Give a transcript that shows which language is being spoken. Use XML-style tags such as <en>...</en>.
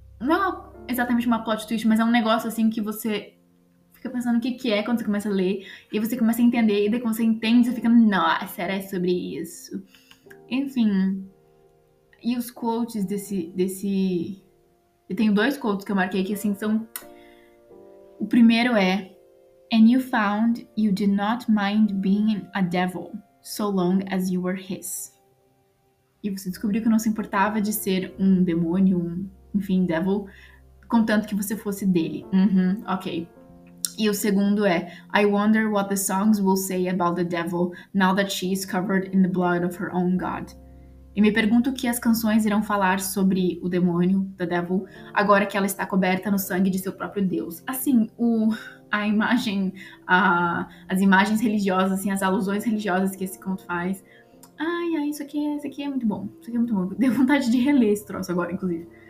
<pt>Não é exatamente uma plot twist, mas é um negócio assim que você fica pensando o que é quando você começa a ler. E você começa a entender, e daí quando você entende, você fica... Nossa, era sobre isso. Enfim... E os quotes desse... Eu tenho dois quotes que eu marquei aqui, assim, são... O primeiro é...</pt> <en>And you found you did not mind being a devil, so long as you were his.</en> <pt>E você descobriu que não se importava de ser um demônio, um, enfim, devil, contanto que você fosse dele. Uhum, ok. E o segundo é...</pt> <en>I wonder what the songs will say about the devil, now that she is covered in the blood of her own god.</en> <pt>E me pergunto o que as canções irão falar sobre o demônio,</pt> <en>the devil,</en> <pt>agora que ela está coberta no sangue de seu próprio deus. Assim, as imagens religiosas, assim, as alusões religiosas que esse conto faz. Ai, ai, isso aqui é muito bom. Isso aqui é muito bom. Deu vontade de reler esse troço agora, inclusive.</pt>